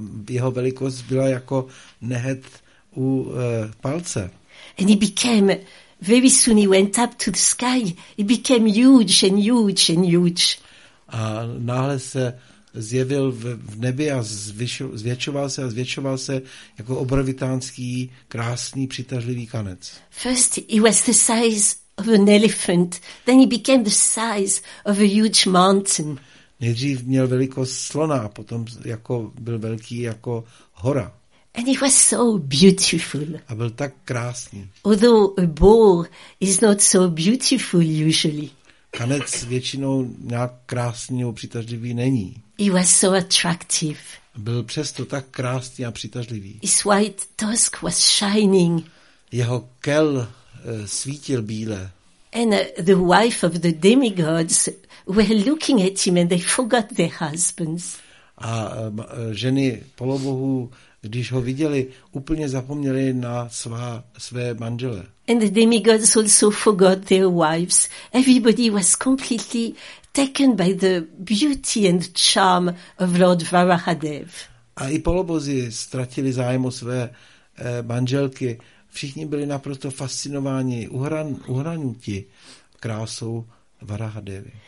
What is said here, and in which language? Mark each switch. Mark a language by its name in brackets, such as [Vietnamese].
[Czech] Jeho velikost byla jako nehet u palce. [English] And he became very soon he went up to the sky. He became huge and huge and huge. [Czech] A náhle se zjevil v nebi a zvětšoval se a zvětšoval se jako obrovitánský, krásný, přitažlivý kanec. [English] First he was the size of an elephant, then he became the size of a huge mountain. [Czech] Nejdřív měl velikost slona, potom jako byl velký jako hora. [English] And he was so beautiful. [Czech] A byl tak krásný. [English] Although a boar is not so beautiful usually. [Czech] Kanec většinou nějak krásný nebo přitažlivý není. [English] He was so attractive. [Czech] Byl přesto tak krásný a přitažlivý. [English] His white tusk was shining. [Czech] Jeho kel svítil bíle. [English] And the wife of the demigods were looking at him and they forgot their husbands. [Czech] A ženy polobohů, když ho viděli, úplně zapomněli na své manžele. [English] And the demigods also forgot their wives. Everybody was completely taken by the beauty and charm of Lord Varahadev. [Czech] A i polobozy ztratili zájem o své manželky. Všichni byli naprosto fascinováni, uhranuti krásou Varahadevy.